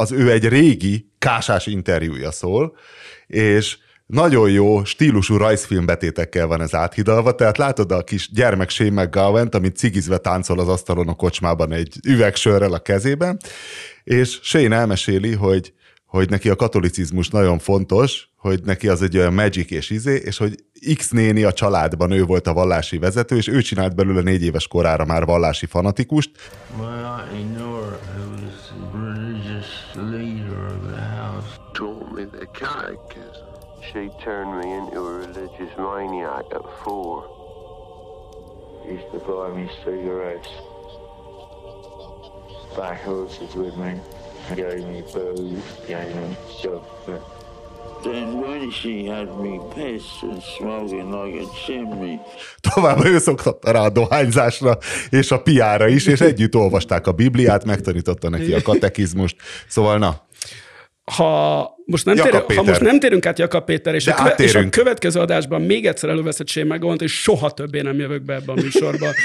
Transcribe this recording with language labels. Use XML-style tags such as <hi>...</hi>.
<hu>egy régi kásás interjúja szól, és nagyon jó stílusú rajzfilmbetétekkel van ez áthidalva, tehát látod a kis gyermek Shane McGowant, amit cigizve táncol az asztalon a kocsmában egy üvegsörrel a kezében, és Shane elmeséli, hogy neki a katolicizmus nagyon fontos, hogy neki az egy olyan magic és izé, és hogy X néni a családban, ő volt a vallási vezető, és ő csinált belőle 4 éves korára már vallási fanatikust.</hu> <en>Well, I know who was the religious leader of the house. Taught me the catechism. She turned me into a religious maniac at 4. Used to buy me cigarettes. Back horses with me. Gave me food. Gave me chocolate. Then when she had me pissed and smoking like a chimney.</en> <hu>Tovább ő szoktatta rá a dohányzásra és a piára is, és együtt olvasták a Bibliát, megtanította neki a katekizmust. Szóval na. Ha most nem térünk át Jakab Péter, és a következő adásban még egyszer előveszed Shane McGowant, és soha többé nem jövök be ebbe a műsorba.</hu>